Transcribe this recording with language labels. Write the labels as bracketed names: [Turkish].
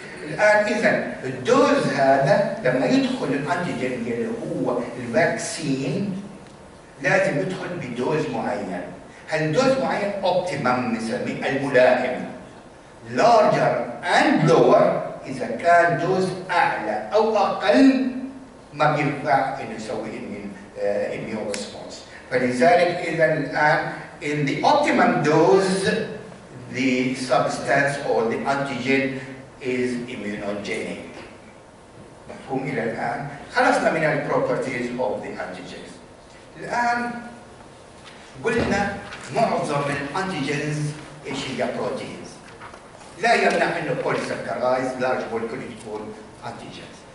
[Arabic] الآن إذا الدوز هذا لما يدخل الأنتيجين اللي هو الفاكسين لازم يدخل بدوز معين. هل دوز معين أوبتيمم نسميه الملائم، لارجر أند لور، إذا كان دوز أعلى أو أقل ما بينفع إنه يسوي إميون ريسبونس. فلذلك إذا الآن [English] in the optimum dose the substance or the antigen is immunogenic. [Arabic] مفهوم إلى الآن؟ خلصنا من الـ properties of the antigens. الآن قلنا معظم الـ antigens إيش هي؟ proteins. لا يمنع إنه polysaccharides large molecule يكون antigens.